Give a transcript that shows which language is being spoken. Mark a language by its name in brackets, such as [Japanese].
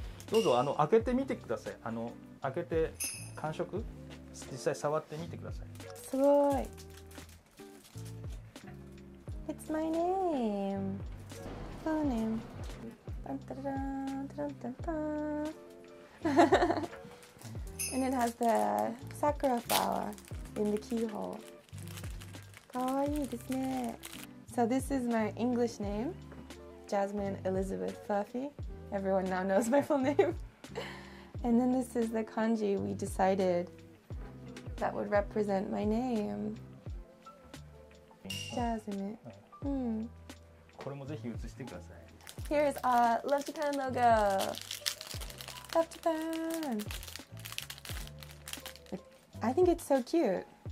[Japanese] どうぞ、あの開けてみてください。あの開けて感触、実際触ってみてください。すごい。 [English] It's my name. Full name. タンタラタランタンタン。 And it has the sakura flower in the keyhole. [Japanese] かわいいですね。 [English] So this is my English name, Jasmine Elizabeth Fluffy. Everyone now knows my full name. And then this is the kanji we decided that would represent my name. Jasmine. [Japanese] これもぜひ写してください。 [English] Here's our Love Japan logo. Love Japan. I think it's so cute.